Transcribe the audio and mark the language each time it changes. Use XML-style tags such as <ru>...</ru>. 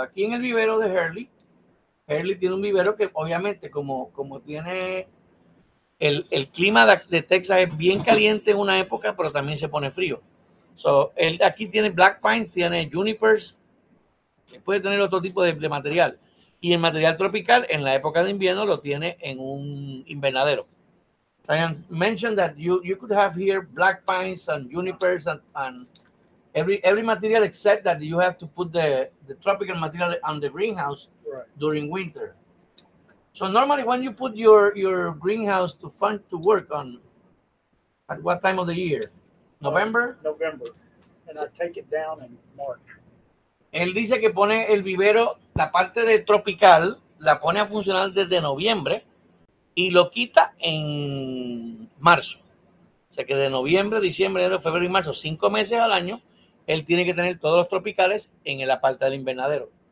<es>Aquí en el vivero de Hurley. Hurley tiene un vivero que obviamente como tiene el clima de Texas es bien caliente en una época, pero también se pone frío. Él aquí tiene black pines, tiene junipers, puede tener otro tipo de material. Y el material tropical en la época de invierno lo tiene en un invernadero.</es> <en>Diane mentioned that you could have here black pines and junipers and every material except that you have to put the tropical material on the greenhouse during winter. So normally when you put your greenhouse to fun to work on, at what time of the year? November? November, and I take it down in March.</en> <es>Él dice que pone el vivero, la parte de tropical, la pone a funcionar desde noviembre y lo quita en marzo. O sea que de noviembre, diciembre, enero, febrero y marzo, 5 meses al año, él tiene que tener todos los tropicales en la parte del invernadero.</es>